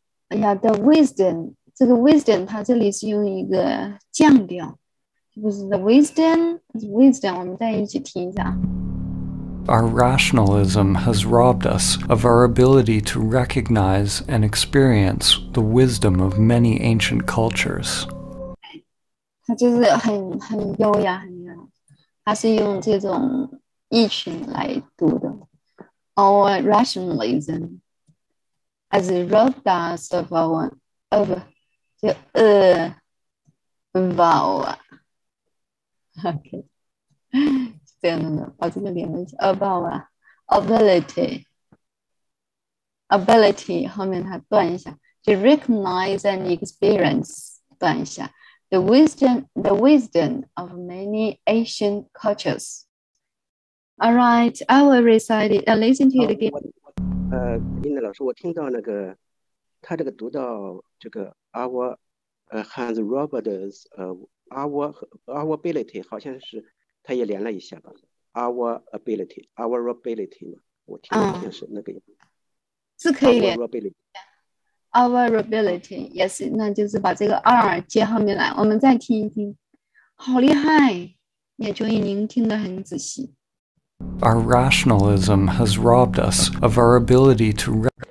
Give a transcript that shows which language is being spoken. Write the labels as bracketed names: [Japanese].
[English] Yeah, the wisdom. [Chinese] 这个 wisdom 它这里是用一个降调，就是 [English] the wisdom [Chinese] 我们再一起听一下。 [English] Our rationalism has robbed us of our ability to recognize and experience the wisdom of many ancient cultures. [Chinese] 它就是很优雅，很优雅，它是用这种意群来读的。 [English] Our rationalism has robbed us of our ability [Chinese] 后面它断一下 [English] to recognize and experience [Chinese] 断一下 [English] the wisdom of many Asian cultures. All right, I will recite it. Listen to it again. [Chinese] 英子老师，我听到那个他这个读到这个 [English] our has robbed us of our ability [Chinese] 好像是他也连了一下吧。 [English] Our ability [Chinese] 嘛，我听好像是那个样子。是可以连。 [English] Our ability yes， [Chinese] 那就是把这个 R 接后面来。我们再听一听，好厉害，也就已经听得很仔细。 [English] Our rationalism has robbed us of our ability to.